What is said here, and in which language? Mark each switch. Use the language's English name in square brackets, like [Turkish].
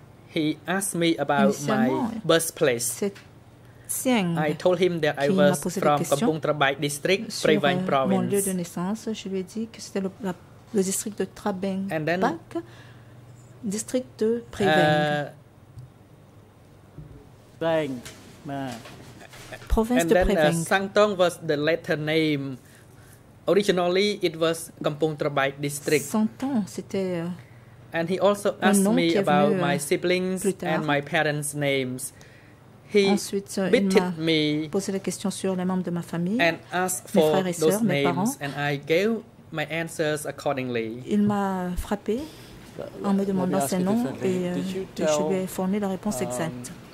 [English] He asked me about my birthplace. I told him that I was from Kampong Trabai district, Prevang province. [French] Mon lieu de naissance, je lui ai dit que c'était le district de Trabeng, Bac, district de Prevang. [English] And then Sang Tong was the latter name. Originally, it was Kampong Trabai district. [French] Sang Tong, c'était. [English] And he also asked me about my siblings and my parents' names. He bitted me. [French] Posé la question sur les membres de ma famille. [English] And asked for those names, and I gave my answers accordingly. [French] Il m'a frappé en me demandant ses noms et je lui ai fourni la réponse exacte.